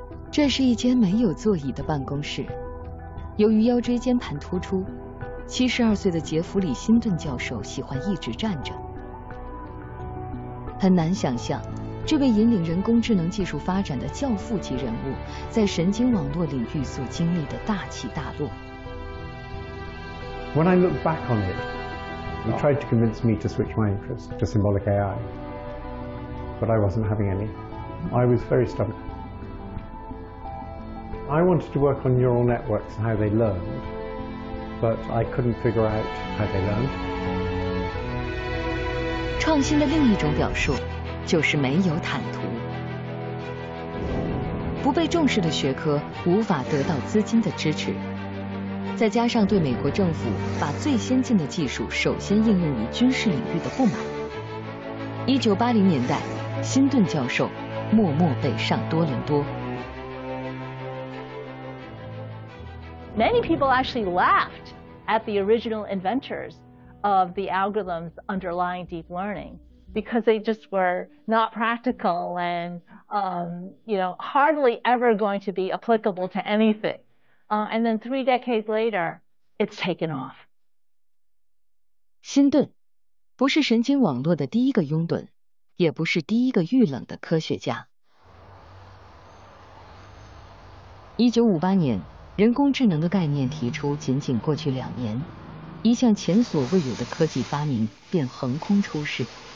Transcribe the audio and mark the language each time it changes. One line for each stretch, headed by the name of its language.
Chinese: 这是一间没有座椅的办公室，由于腰椎间盘突出，72岁的杰弗里·辛顿教授喜欢一直站着。很难想象，这位引领人工智能技术发展的教父级人物，在神经网络领域所经历的大起大落。
English: When I look back on it, you tried to convince me to switch my interest to symbolic AI, but I wasn't having any. I was very stubborn. I wanted to work on neural networks and how they learned, but I couldn't figure out how they learned.
Chinese: 创新的另一种表述就是没有坦途。不被重视的学科无法得到资金的支持，再加上对美国政府把最先进的技术首先应用于军事领域的不满，1980年代，辛顿教授默默北上多伦多。
English: Many people actually laughed at the original inventors of the algorithms underlying deep learning because they just were not practical and, you know, hardly ever going to be applicable to anything. And then 3 decades later, it's taken off.
Chinese: 辛顿不是神经网络的第一个拥趸，也不是第一个遇冷的科学家。 1958年。人工智能的概念提出仅仅过去2年，一项前所未有的科技发明便横空出世。